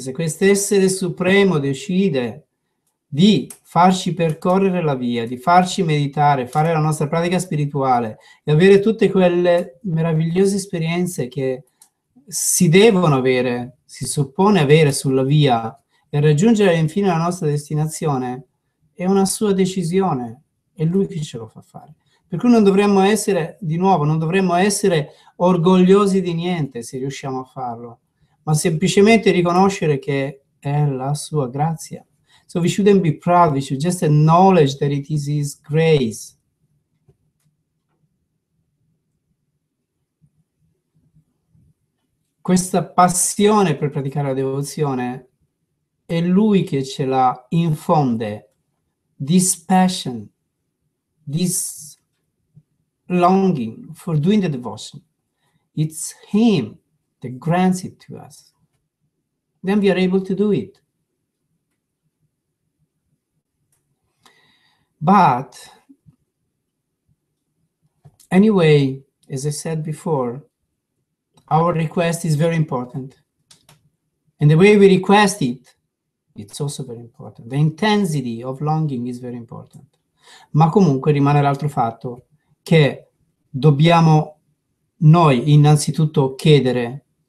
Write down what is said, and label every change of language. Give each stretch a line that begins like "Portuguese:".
Italian: Se questo essere supremo decide di farci percorrere la via, di farci meditare, fare la nostra pratica spirituale e avere tutte quelle meravigliose esperienze che si devono avere, si suppone avere sulla via e raggiungere infine la nostra destinazione, è una sua decisione, è lui che ce lo fa fare. Per cui non dovremmo essere, di nuovo, non dovremmo essere orgogliosi di niente se riusciamo a farlo, ma semplicemente riconoscere che è la sua grazia.
English: So we shouldn't be proud, we should just acknowledge that it is his grace.
Italian: Questa passione per praticare la devozione è lui che ce la infonde.
English: This passion, this longing for doing the devotion. It's him that grants it to us. Then we are able to do it. But anyway, as I said before, our request is very important. And the way we request it, it's also very important. The intensity of longing is very important.
Italian: Ma comunque rimane l'altro fatto che dobbiamo noi innanzitutto chiedere.